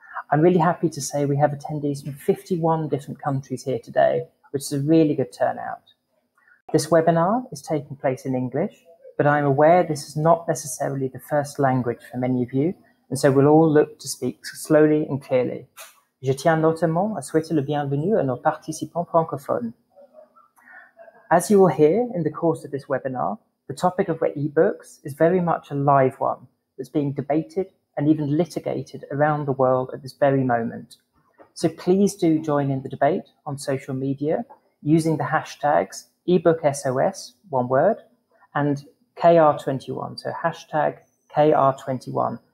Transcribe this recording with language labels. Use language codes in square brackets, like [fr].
[en] I'm really happy to say we have attendees from 51 different countries here today, which is a really good turnout. This webinar is taking place in English, but I'm aware this is not necessarily the first language for many of you, and so we'll all look to speak slowly and clearly. [fr] Je tiens notamment à souhaiter le bienvenue à nos participants francophones. [en] As you will hear in the course of this webinar, the topic of e-books is very much a live one that's being debated and even litigated around the world at this very moment. So please do join in the debate on social media using the hashtags eBookSOS, one word, and KR21, so hashtag KR21.